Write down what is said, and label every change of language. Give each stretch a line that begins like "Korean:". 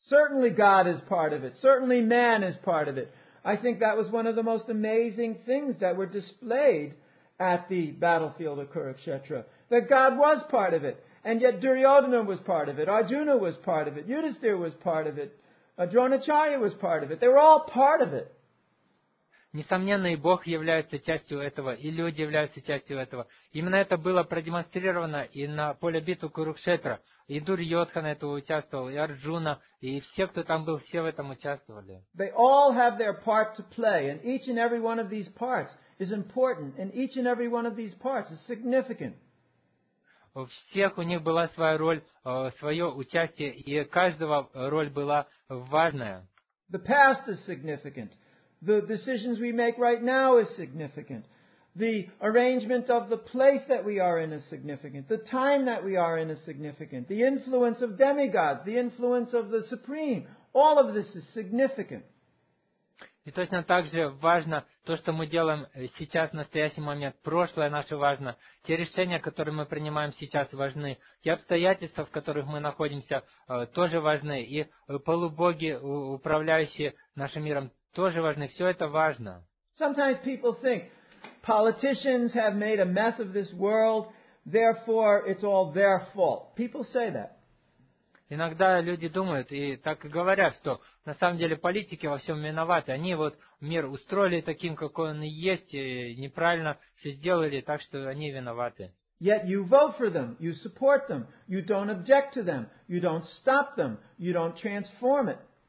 English: Certainly God is part of it. Certainly man is part of it. I think that was one of the most amazing things that were displayed at the battlefield of Kurukshetra. That God was part of it. And yet Duryodhana was part of it. Arjuna was part of it. Yudhisthira was part of it. Dronacharya was part of it. They were all part of it.
Russian: Несомненно, и Бог является частью этого, и люди являются частью этого. Именно это было продемонстрировано и на поле битвы Курукшетра. И Дурьотхана этого участвовал, и Арджуна, и все, кто там был, все в этом участвовали.
English: They all have their part to play, and each and every one of these parts is important, and each and every one of these parts is significant.
Russian: У всех у них была своя роль, свое участие, и каждого роль была важная.
English: The past is significant. The decisions we make right now is significant. The arrangement of the place that we are in is significant. The time that we are in is significant. The influence of demigods, the influence of the supreme, all of this is significant.
Russian: И точно так же важно то, что мы делаем сейчас, в настоящий момент. Прошлое наше важно. Те решения, которые мы принимаем сейчас, важны. И обстоятельства, в которых мы находимся, тоже важны. И полубоги, управляющие нашим миром, тоже важны. Все это важно.
English: Sometimes people think, politicians have made a mess of this world, therefore it's all their fault. People say that.
Russian: Иногда люди думают и так и говорят, что на самом деле политики во всем виноваты. Они вот мир устроили таким, какой он и есть, и неправильно все сделали, так что они виноваты.
English: Yet you vote for them, you support them, you don't object to them, you don't stop them, you don't transform it.